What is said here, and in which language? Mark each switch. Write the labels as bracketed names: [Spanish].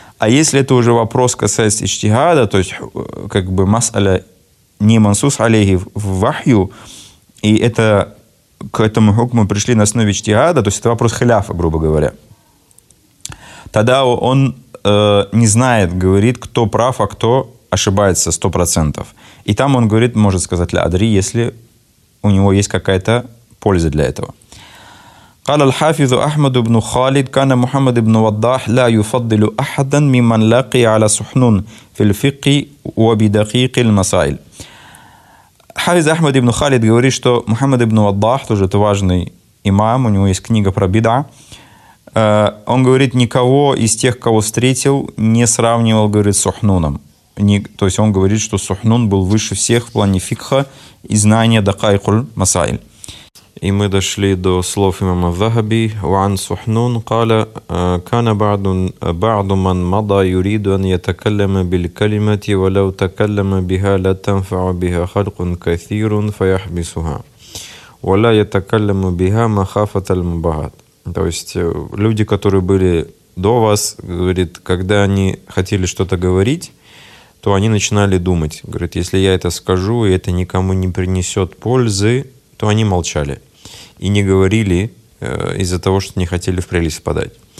[Russian] А если это уже вопрос касается иштихада, то есть как бы масаля не мансус алейхи в вахью, и это к этому хукму пришли на основе иштихада, то есть это вопрос хляфа, грубо говоря, тогда он не знает, говорит, кто прав, а кто ошибается 100%. И там он говорит, может сказать ля адри, если у него есть какая-то польза для этого. [Arabic] قال الحافظ أحمد بن خالد كان محمد بن وضاح لا يفضل أحدا ممن لقي على سحنون في الفقه وبدقيق المسائل. [Russian] حافظ أحمد بن خالد говорит, что Мухаммад ибн Ваддах, тоже это важный имам, у него есть книга про бид'а, он говорит, никого из тех, кого встретил, не сравнивал, говорит, с Сухнуном. То есть он говорит, что Сухнун был выше всех в плане фикха и знания дакайкуль масаиль. И мы дошли до слов имама Захаби. [Arabic] وعن سحنون قال كان بعض من مضى يريد أن يتكلم بالكلمة ولو تكلم بها لا تنفع بها خلق كثير فيحبسها ولا يتكلم بها مخافة المباهات. [Russian] То есть люди, которые были до вас, говорит, когда они хотели что-то говорить, то они начинали думать. Говорит, если я это скажу, и это никому не принесет пользы, то они молчали и не говорили из-за того, что не хотели в прелесть впадать.